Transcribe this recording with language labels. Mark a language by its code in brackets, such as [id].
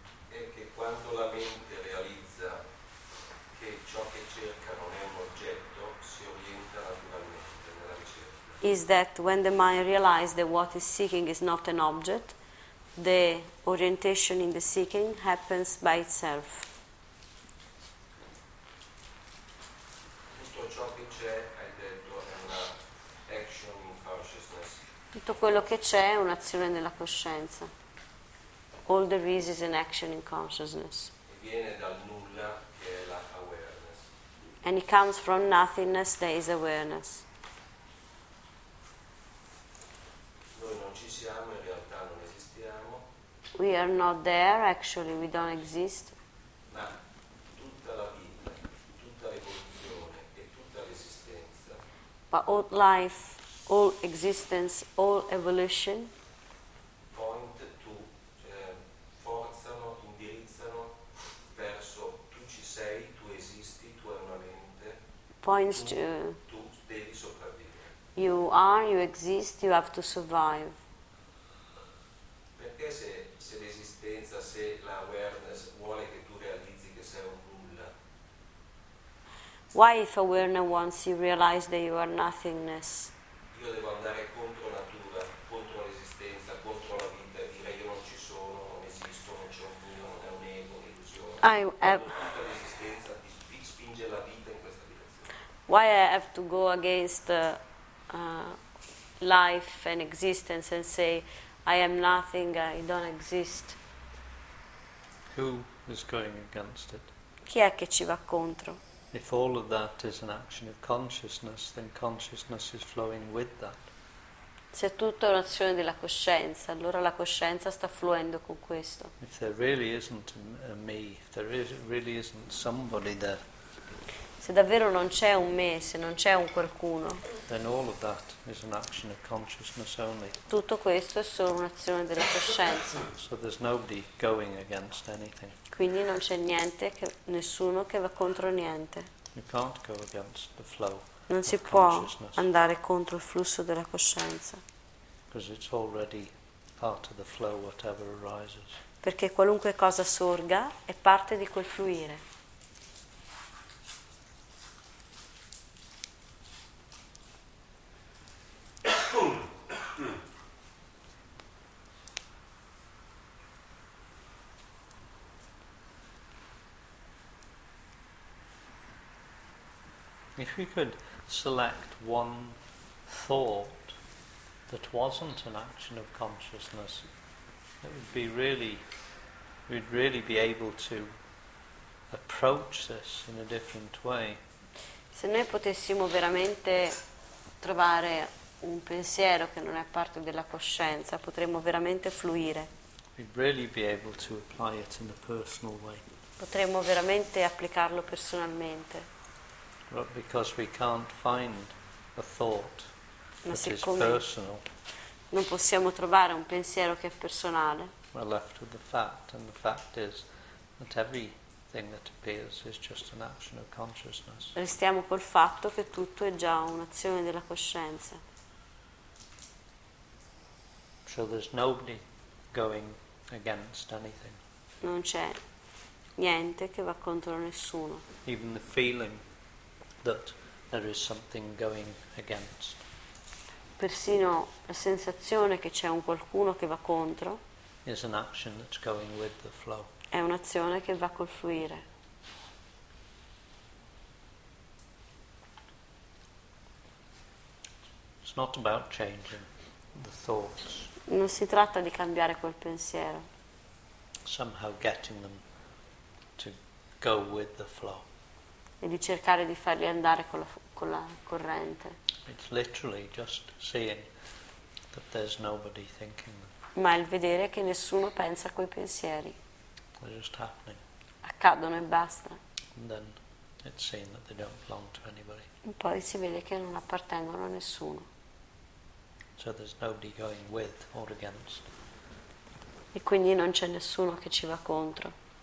[it] è che quando la mente realizza che ciò che cerca non è un oggetto, si orienta naturalmente nella ricerca. [en] Is that when the mind realizes that what is seeking is not an object, the orientation in the seeking happens by itself. [it] Tutto quello che c'è è un'azione nella coscienza. [en] All there is an action in consciousness. [it] E viene dal nulla che è la awareness. [en] And it comes from nothingness that is awareness. [it] Noi non ci siamo, in realtà non esistiamo. [en] We are not there, actually, we don't exist. [it] Ma tutta la vita, tutta l'evoluzione e tutta l'esistenza. [en] But all life, all existence, all evolution point to [it] forzano, indirizzano verso tu ci sei, tu esisti, tu hai una mente. [en] Points to [it] tu devi sopravvivere. [en] You are, you exist, you have to survive. [it] Perché se l'esistenza, se la awareness vuole che tu realizzi che sei un nulla? [en] Why if awareness wants you realize that you are nothingness? [it] Io devo andare contro natura, contro l'esistenza, contro la vita, dire io non ci sono, non esisto, non c'è un mio, non è un ego, un'illusione. Tutta l'esistenza ti spinge la vita in questa direzione. [en] Why I have to go against life and existence and say I am nothing, I don't exist? Who is going against it? [it] Chi è che ci va contro? [en] If all of that is an action of consciousness, then consciousness is flowing with that. [it] Se tutto è un'azione della coscienza, allora la coscienza sta fluendo con questo. [en] If there really isn't a me, if there is, really isn't somebody there. [it] Se davvero non c'è un me, se non c'è un qualcuno. [en] Then all of that is an action of consciousness only. [it] Tutto questo è solo un'azione della coscienza. [en] So there's nobody going against anything. [it] Quindi non c'è niente, che nessuno che va contro niente. [en] You can't go against the flow. [it] Non si può andare contro il flusso della coscienza. [en] Because it's already part of the flow, whatever arises. [it] Perché qualunque cosa sorga è parte di quel fluire. [en] If we could select one thought that wasn't an action of consciousness, it would be really, we'd really be able to approach this in a different way. [it] Se noi potessimo veramente trovare un pensiero che non è parte della coscienza, potremmo veramente fluire. [en] We'd really be able to apply it in a personal way. [it] Potremmo veramente applicarlo personalmente. [en] But because we can't find a thought that is personal, [it] non possiamo trovare un pensiero che è personale, [en] we're left with the fact, and the fact is that everything that appears is just an action of consciousness. [it] Restiamo col fatto che tutto è già un'azione della coscienza. [en] So there's nobody going against anything. [it] Non c'è niente che va contro nessuno. [en] Even the feeling that there is something going against. [it] Persino la sensazione che c'è un qualcuno che va contro. [en] Is an action that's going with the flow. [it] È un'azione che va col fluire. [en] It's not about changing the thoughts. [it] Non si tratta di cambiare quel pensiero. [en] Somehow getting them to go with the flow. [it] E di cercare di farli andare con la corrente. [en] It's literally just seeing that there's nobody thinking them. [it] Ma il vedere che nessuno pensa a quei pensieri. [en] They're just happening. [it] Accadono e basta. [en] And then it's seen that they don't belong to anybody. [it] E poi si vede che non appartengono a nessuno. [en] So there's nobody going with or against. [it] E quindi non c'è nessuno che ci va contro.